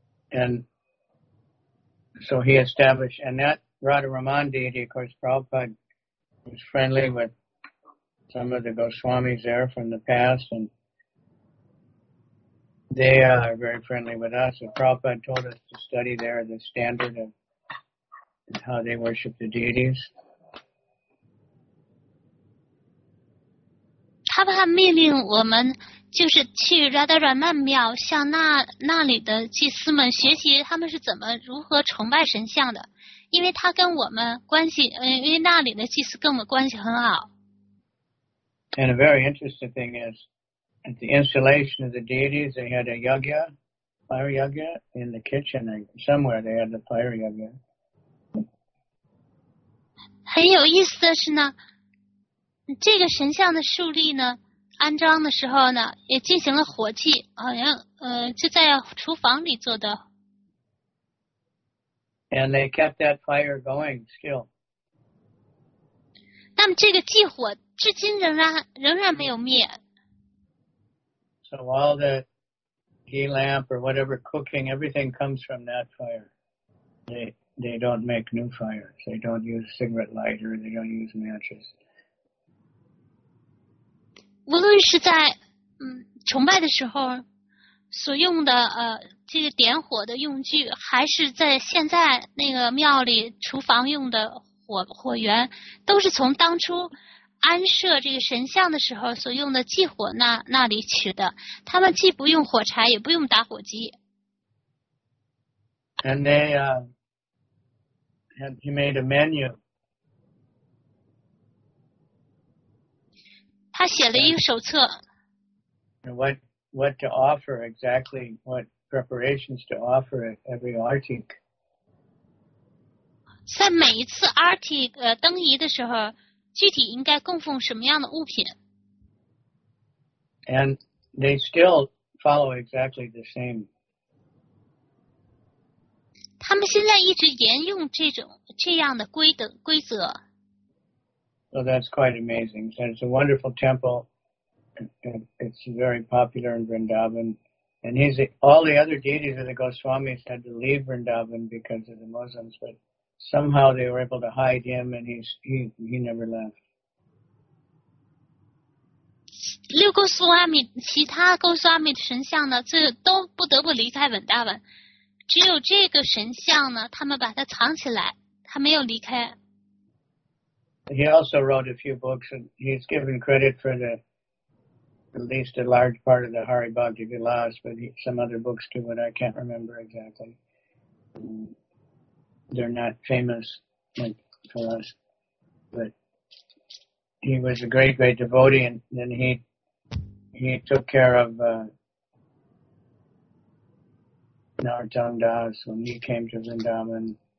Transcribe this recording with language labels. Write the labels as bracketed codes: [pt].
[en] And so he established, and that Radharaman deity, of course, Prabhupada was friendly with some of the Goswamis there from the past, and they are very friendly with us. So Prabhupada told us to study there the standard of how they worship the deities. [zh] 他怕命令我们就是去 Radharaman 庙向那里的祭司们学习他们是怎么如何崇拜神像的，因为他跟我们关系，因为那里的祭司跟我们关系很好。 [en] And a very interesting thing is, at the installation of the deities, they had a yagya, fire yagya, in the kitchen. Somewhere they had the fire yagya. [zh] 很有意思的是呢，这个神像的树立呢，安装的时候呢，也进行了火祭，好像就在厨房里做的。 [en] And they kept that fire going still. [zh] 那么这个祭火至今仍然没有灭。 [en] So all the ghee lamp or whatever cooking, everything comes from that fire. They don't make new fires. They don't use cigarette lighter. They don't use matches. [zh] 无论是在崇拜的时候所用的这个点火的用具，还是在现在那个庙里厨房用的火源，都是从当初安设这个神像的时候所用的祭火那里取的。他们既不用火柴，也不用打火机。 [en] And they, he made a menu. [zh] 他写了一个手册。 [en] What to offer exactly, what preparations to offer at every Artik. [zh] 在每一次 Artik 登仪的时候，具体应该供奉什么样的物品。 [en] And they still follow exactly the same. [zh] 他们现在一直沿用这样的规则。 [en] So that's quite amazing. So it's a wonderful temple. It's very popular in Vrindavan. And all the other deities of the Goswamis had to leave Vrindavan because of the Muslims, but somehow they were able to hide him and he never left. [zh] 六个 Goswami, 其他 Goswami 的神像呢这都不得不离开 Vrindavan. 只有这个神像呢他们把它藏起来他没有离开。 [en] He also wrote a few books and he's given credit for the,at least a large part of the Hari Bhakti Vilas, but some other books too, but I can't remember exactly. They're not famous for us, but he was a great, great devotee, and then he took care of Narottam Das when he came to Vrindavan.